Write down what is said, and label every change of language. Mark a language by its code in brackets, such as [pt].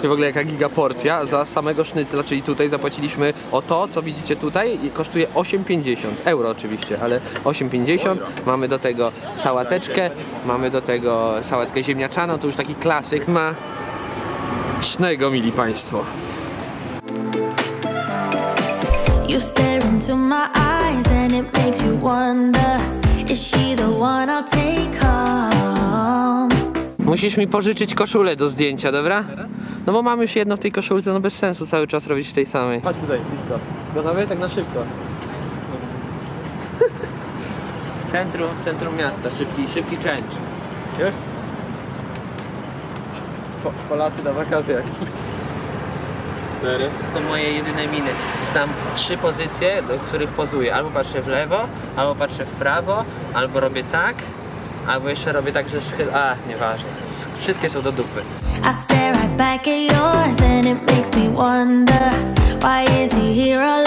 [pl] W ogóle jaka giga porcja za samego sznycla, czyli tutaj zapłaciliśmy o to, co widzicie tutaj, kosztuje 8,50 euro oczywiście, ale 8,50, mamy do tego sałateczkę, mamy do tego sałatkę ziemniaczaną, to już taki klasyk ma cznego, mili Państwo. [en] You stare into my eyes and it makes you wonder, is she the one I'll take home? [pl] Musisz mi pożyczyć koszulę do zdjęcia, dobra? No bo mam już jedno w tej koszulce, no bez sensu cały czas robić w tej samej. Patrz tutaj, blisko. Gotowy? Tak na szybko. W centrum miasta, szybki change. Polacy na wakacjach. To moje jedyne miny. Znam trzy pozycje, do których pozuję. Albo patrzę w lewo, albo patrzę w prawo, albo robię tak, albo jeszcze robię tak, że schylę. A, nieważne. Wszystkie są do dupy. [en] I stare right back at yours and it makes me wonder, why is he here all